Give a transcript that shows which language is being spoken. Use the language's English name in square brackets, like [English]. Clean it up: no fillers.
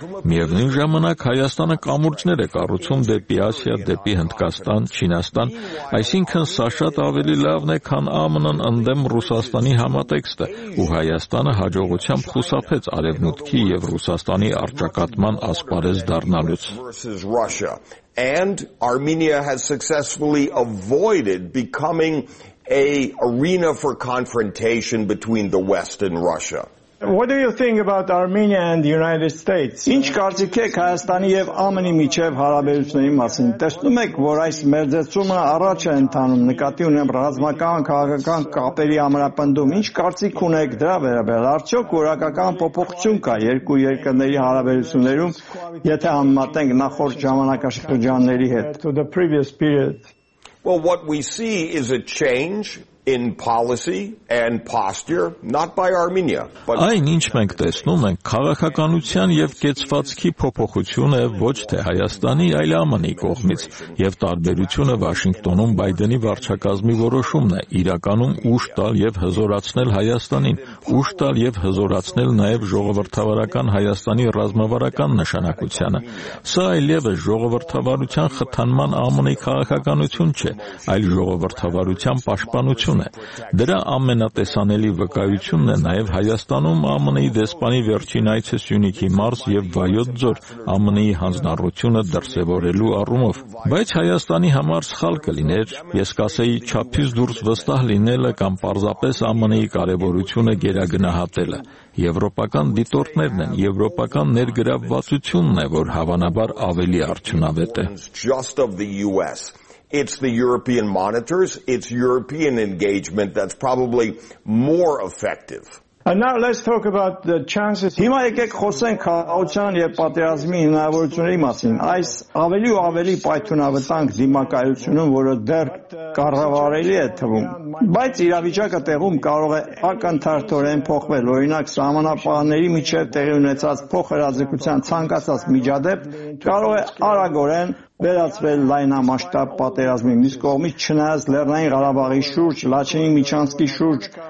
[Armenian] Միևնույն ժամանակ Հայաստանը կամուրջներ է կառուցում դեպի Ասիա, դեպի Հնդկաստան, Չինաստան, այսինքն սա շատ ավելի լավն է, քան ԱՄՆ-ն ընդդեմ Ռուսաստանի համատեքստը, ու Հայաստանը հաջողությամբ խուսափեց Արևմուտքի եւ Ռուսաստանի արճակատման ասպարեզ դառնալուց։ [English] And Armenia has successfully avoided becoming an arena for confrontation between the West and Russia. What do you think about Armenia and the United States? [Armenian] Ինչ կարծիք եք Հայաստանի եւ ԱՄՆ-ի միջև հարաբերությունների մասին? Տեսնում եք, որ այս մերձեցումը առաջ է ընթանում, նկատի ունեմ ռազմական քաղաքական կապերի ամրապնդում։ Ինչ կարծիք ունեք դրա վերաբերյալ? Արդյոք որակական փոփոխություն կա երկու երկրների հարաբերություններում, եթե համապատենք նախորդ ժամանակաշրջանների հետ? [English] Well, what we see is a change in policy and posture, not by Armenia, but [Armenian] այն, ինչ մենք տեսնում ենք, քաղաքականության եւ կեցվածքի փոփոխություն է ոչ թե Հայաստանի, այլ ԱՄՆ-ի կողմից, եւ տարբերությունը Վաշինգտոնում Բայդենի վարչակազմի որոշումն է՝ իրականում ուշ տալ եւ հզորացնել Հայաստանին, ուշ տալ եւ հզորացնել նաեւ ժողովրդավարական Հայաստանի ռազմավարական նշանակությունը։ Սա այլևս ժողովրդավարության խթանման ԱՄՆ-ի քաղաքականություն չէ, այլ ժողովրդավարության պաշտպանություն ունե։ Դրա ամենատեսանելի վկայությունն է նաև Հայաստանում ԱՄՆ-ի դեսպանի վերջին այցս Սյունիքի մարզ եւ Վայոց ձոր ԱՄՆ-ի հանձնառությունը դրսեւորելու առումով։ Բայց Հայաստանի համար սխալ կլիներ, ես կասեի, չափից դուրս վստահ լինելը կամ պարզապես ԱՄՆ-ի կարևորությունը գերագնահատելը։ Եվրոպական դիտորդներն են, եվրոպական ներգրավվածությունն է, որ հավանաբար ավելի արդյունավետ է։ [English] It's the European monitors, it's European engagement that's probably more effective. And now let's talk about the chances. [Armenian] Հիմա եկեք խոսենք քաղաքական եւ պատերազմի հնարավորությունների մասին։ Այս ավելի ու ավելի պայթունավտանգ դիմակայությունում, որը դեռ կառավարելի է թվում, բայց իրավիճակը տեղում կարող է ակնթարթորեն փոխվել, օրինակ սահմանապահների միջև տեղի ունեցած փոխհրաձգության ցանկացած միջադեպ կարող է արագորեն վերածվել լայնամասշտաբ պատերազմի։ Մյուս կողմից, չնայած Լեռնային Ղարաբաղի շուրջ, Լաչինի Միջանցքի շուրջ